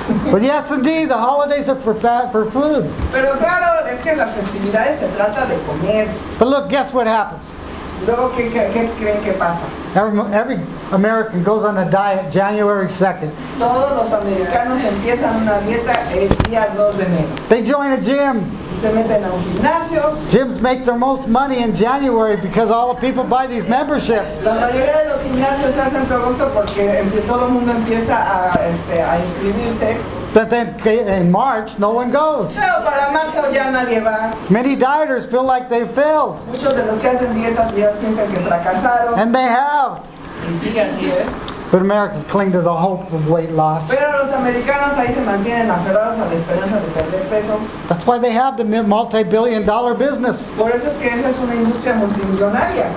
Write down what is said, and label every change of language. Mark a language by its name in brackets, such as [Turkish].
[English] But yes, indeed, the holidays are for food. [Spanish] Pero claro, es que las festividades se trata de comer. [English] But look, guess what happens? [Spanish] Luego, ¿qué creen que pasa? [English] Every American goes on a diet January 2nd. [Spanish] Todos los americanos empiezan una dieta el día 2 de enero. [English] They join a gym. [Spanish] Se meten a un gimnasio. [English] Gyms make their most money in January because all the people buy these memberships. [Spanish] La mayoría de los gimnasios se hacen su agosto porque todo el mundo empieza a inscribirse. [English] But then in March, no one goes. [Spanish] Pero para marzo ya nadie va. [English] Many dieters feel like they failed. [Spanish] Muchos de los que hacen dietas ya sienten que fracasaron. [English] And they have. [Spanish] Y sí, así es. [English] But Americans cling to the hope of weight loss. [Spanish] Pero los americanos ahí se mantienen aferrados a la esperanza de perder peso. [English] That's why they have the multi-billion dollar business. [Spanish] Por eso es que esa es una industria multimillonaria.